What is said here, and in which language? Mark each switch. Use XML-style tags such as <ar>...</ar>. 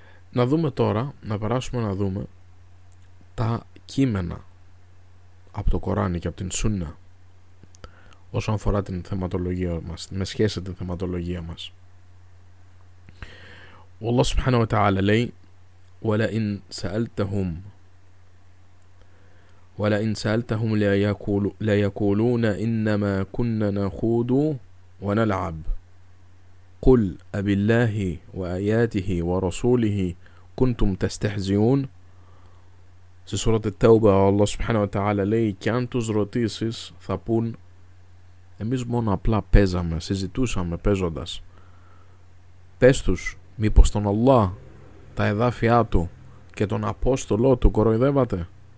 <el>Να δούμε τώρα, να περάσουμε να δούμε τα κείμενα από το Κοράνι και από την Σούνα όσον αφορά την θεματολογία μας, με σχέση την θεματολογία μας. Ο Αλλάχ Σουμπχάναχου Βατα'άλα λέει:</el> <ar>وَلَئِنْ سَأَلْتَهُمْ وَلَئِنْ سَأَلْتَهُمْ لَيَقُولُونَ إِنَّمَا كُنَّا نَخُوضُ وَنَلْعَبُ قُلْ أَبِاللَّهِ وَآيَاتِهِ وَرَسُولِهِ كُنْتُمْ تَسْتَهْزِئُونَ.</ar> <el>Στη σούρα Τ'τάουμπα ο Αλλάχ Σουμπχάναχου Βατα'άλα λέει: και αν τους ρωτήσεις θα πούν, εμείς μόνο απλά παίζαμε, συζητούσαμε παίζοντας. Πες τους, μήπως τον Αλλά, τα εδάφια του και τον Απόστολό του κοροϊδεύατε.</el>